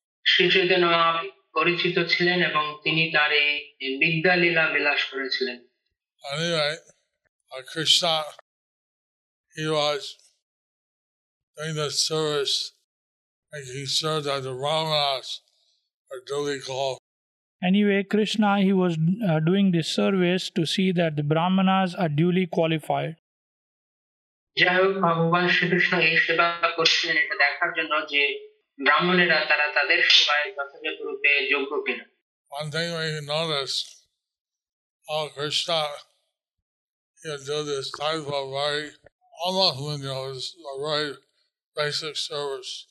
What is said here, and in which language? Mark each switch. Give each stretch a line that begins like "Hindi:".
Bangla: Shri Chaitanya Mahaprabhu পরিচিত ছিলেন এবং তিনি তার এই বিদ্যালীলা বিলাস করেছিলেন.
English: Anyway, Krishna, he was doing the service and he served as the Brahmanas are duly called. Anyway, Krishna, he was doing this service to see that the Brahmanas are duly qualified.
Bangla: যাই হোক, ভগবান শ্রীকৃষ্ণ এই সেবা করছিলেন এটা দেখার জন্য যে ব্রাহ্মণেরা তারা তাদের সেবায় যথাযথ রূপে যোগ্য কিনা.
English: One thing we noticed, Krishna, he would do this type of very, almost, you know, this very basic service.